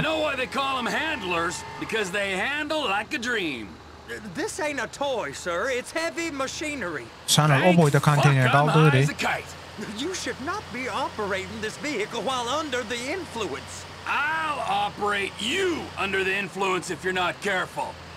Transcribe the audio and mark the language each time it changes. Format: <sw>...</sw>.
<en>I know why they call them handlers, because they handle like a dream. This ain't a toy, sir. It's heavy machinery.</en> <az>Sənə o boyda konteyner qaldırdı.</az> <en>You should not be operating this vehicle while under the influence. I'll operate you under the influence if you're not careful.</en>